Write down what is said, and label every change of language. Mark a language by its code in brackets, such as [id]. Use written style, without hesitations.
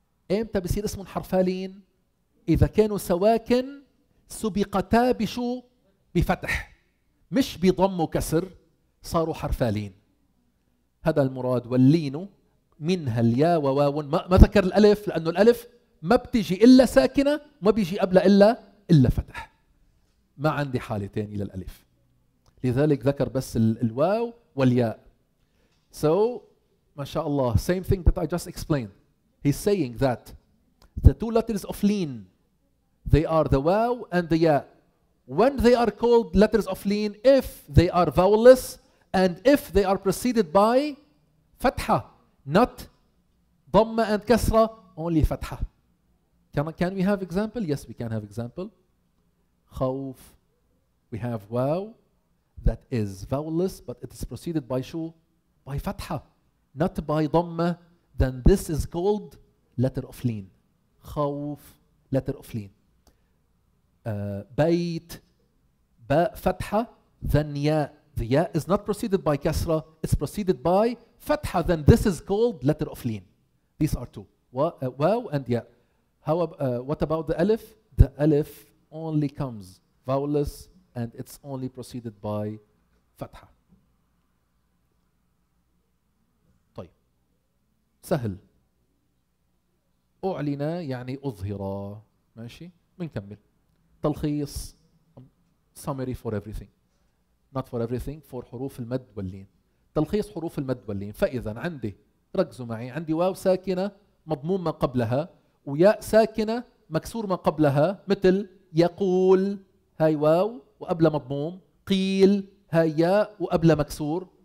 [ar] إمتى بصير اسم حرفان لين؟ إذا كانوا سواكن سبقتا بشو؟ بفتح، مش بضم وكسر، صاروا حرفان لين. هذا المراد. واللين منها الياء وواو، ما ذكر الألف لأنه الألف ما بتجي إلا ساكنة، ما بيجي قبلها إلا فتح. ما عندي حالة تانية للألف، لذلك ذكر بس الواو والياء. [en] So [ar] ما شاء الله [en] same thing that I just explained. He's saying that the two letters of lean, they are the waw and the ya. When they are called letters of lean, if they are vowelless and if they are preceded by fatha, not ضمة and كسرة, only fatha. Can we have example? Yes, we can have example. خوف. We have waw that is vowelless, but it is preceded by شو? By fatha, not by ضمة. Then this is called letter of lean. خوف, letter of lean. [ar] بيت, باء فتحة, then ياء. [en] The ياء is not preceded by كسرة, it's preceded by فتحة. Then this is called letter of lean. These are two. واو and ياء. What about the ألف? The ألف only comes vowelless and it's only preceded by فتحة. [ar] طيب. سهل. أعلن يعني أظهر. ماشي؟ بنكمل. تلخيص. [en] Summary for everything. Not for everything. [ar] For حروف المد واللين. تلخيص حروف المد واللين. فإذا عندي، ركزوا معي، عندي واو ساكنة مضموم ما قبلها، وياء ساكنة مكسور ما قبلها، مثل يقول هاي واو وقبل مضموم، قيل هاي ياء وقبل مكسور.